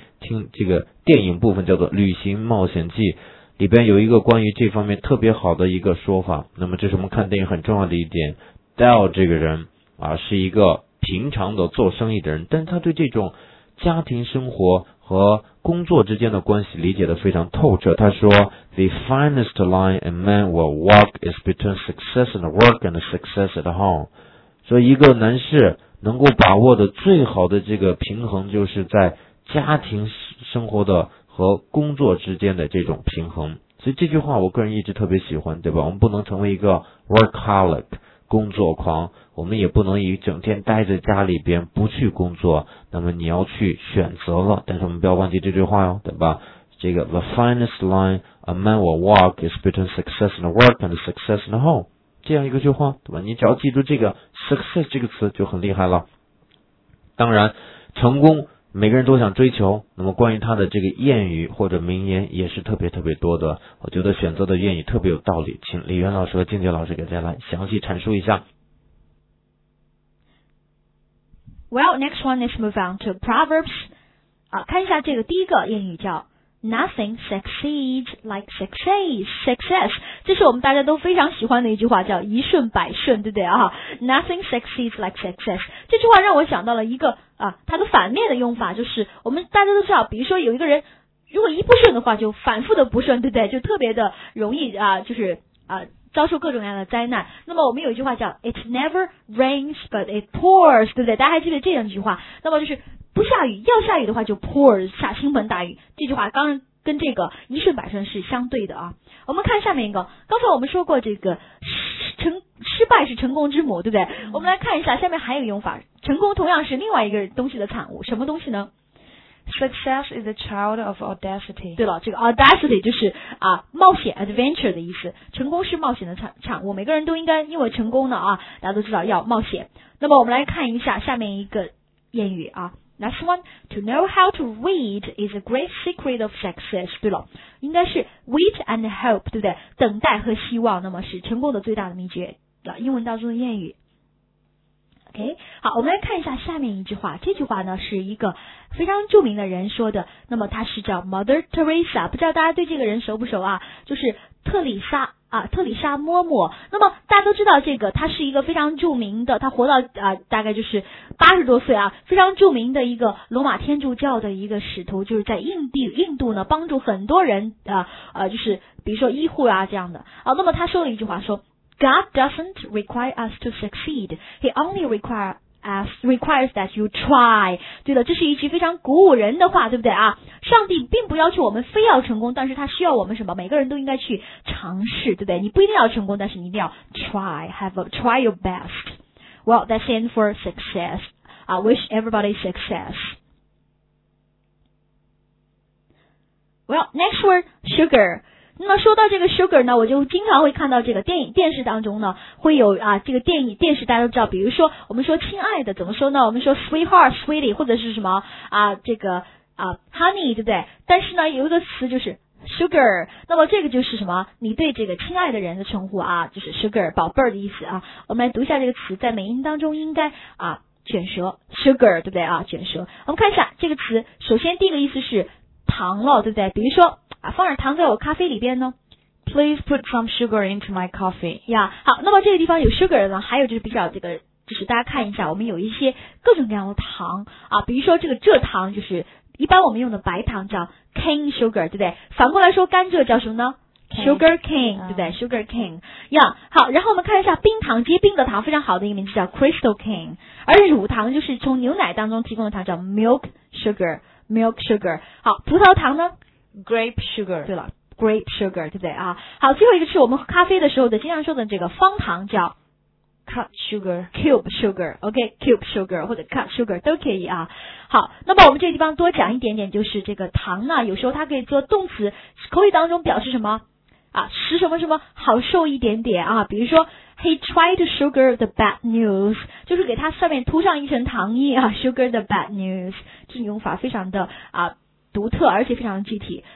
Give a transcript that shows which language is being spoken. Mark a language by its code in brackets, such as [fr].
[zh] 听这个电影部分叫做《旅行冒险记》，里边有一个关于这方面特别好的一个说法。那么，这是我们看电影很重要的一点。Dell 这个人啊，是一个平常的做生意的人，但是他对这种家庭生活和工作之间的关系理解得非常透彻。他说：“ [en] The finest line a man will walk is between success in the work and success at home。 [zh] ”说一个男士能够把握的最好的这个平衡，就是在家庭生活的和工作之间的这种平衡，所以这句话我个人一直特别喜欢，对吧？我们不能成为一个 workaholic 工作狂，我们也不能一整天待在家里边不去工作。那么你要去选择了，但是我们不要忘记这句话哟，对吧？这个 [en] the finest line a man will walk is between success in the work and success in the home， [zh] 这样一个句话，对吧？你只要记住这个 success 这个词就很厉害了。当然，成功，每个人都想追求，那么关于他的这个谚语或者名言也是特别特别多的。我觉得选择的谚语特别有道理，请李元老师和静姐老师给大家来详细阐述一下。 [en] Well, next one is move on to proverbs. [zh] 看一下这个第一个谚语叫 [en] "Nothing succeeds like success."， [zh] 这是我们大家都非常喜欢的一句话，叫"一顺百顺"，对不对啊？"Nothing succeeds like success." 这句话让我想到了一个。它的反面的用法就是，我们大家都知道，比如说有一个人，如果一不顺的话，就反复的不顺，对不对？就特别的容易啊，就是遭受各种各样的灾难。那么我们有一句话叫 [en] "It never rains but it pours"， [zh] 对不对？大家还记得这样一句话？那么就是不下雨，要下雨的话就 pours 下倾盆大雨。这句话刚跟这个一顺百顺是相对的啊。我们看下面一个，刚才我们说过这个失败是成功之母，对不对？我们来看一下，下面还有用法。成功同样是另外一个东西的产物，什么东西呢 [en] ？Success is a child of audacity。 [zh] 对了，这个 audacity 就是冒险 adventure 的意思。成功是冒险的产物，每个人都应该因为成功呢大家都知道要冒险。那么我们来看一下下面一个谚语啊。 [en] Next one, to know how to wait is a great secret of success. [zh] 对了，应该是 [en] wait and hope, [zh] 对不对？等待和希望，那么是成功的最大的秘诀。英文当中的谚语。 OK, 好，我们来看一下下面一句话。这句话呢是一个非常著名的人说的，那么他是叫 Mother Teresa, 不知道大家对这个人熟不熟啊，就是特里莎嬷嬷。那么大家都知道，这个她是一个非常著名的，她活到大概就是80多岁啊，非常著名的一个罗马天主教的一个使徒，就是在印度呢帮助很多人就是比如说医护啊这样的。那么她说了一句话，说 [en] "God doesn't require us to succeed, He only requires that you try." [zh] 对了，这是一句非常鼓舞人的话，对不对啊？上帝并不要求我们非要成功，但是他需要我们什么？每个人都应该去尝试，对不对？你不一定要成功，但是你一定要 [en] try your best. Well, that's in for success. I wish everybody success. Well, next word, sugar. [zh] 那说到这个 sugar 呢，我就经常会看到这个电视当中呢会有这个电视大家都知道，比如说我们说亲爱的怎么说呢，我们说 sweetheart, sweetie, 或者是什么honey, 对不对？但是呢有一个词就是 sugar, 那么这个就是什么，你对这个亲爱的人的称呼啊，就是 sugar, 宝贝儿的意思啊。我们来读一下这个词，在美音当中应该卷舌 sugar, 对不对啊，卷舌。我们看一下这个词，首先第一个意思是糖了，对不对？比如说放点糖在我咖啡里边呢。 [en] Please put some sugar into my coffee. [zh] 好，那么这个地方有 sugar 呢，还有就是比较这个，就是大家看一下，我们有一些各种各样的糖啊，比如说这糖就是一般我们用的白糖叫 cane sugar, 对不对？反过来说甘蔗叫什么呢？Sugar cane, 对不对？Sugar cane, 好，然后我们看一下冰糖，结冰的糖，非常好的一个名字叫 crystal cane, 而乳糖就是从牛奶当中提供的糖叫 milk sugar, 好，葡萄糖呢 [en] ？grape sugar, [zh] 对了，grape sugar, 对不对啊？好，最后一个是我们喝咖啡的时候的经常说的这个方糖叫 [en] cut sugar. Cube sugar, OK, cube sugar [zh] 或者 [en] cut sugar [zh] 都可以啊。好，那么我们这个地方多讲一点点，就是这个糖呢，有时候它可以做动词，口语当中表示什么啊，使什么什么好受一点点啊，比如说 [en] he tried to sugar the bad news， [zh] 就是给它上面涂上一层糖衣啊， [en] sugar the bad news， [zh] 这种用法非常的啊独特，而且非常具体。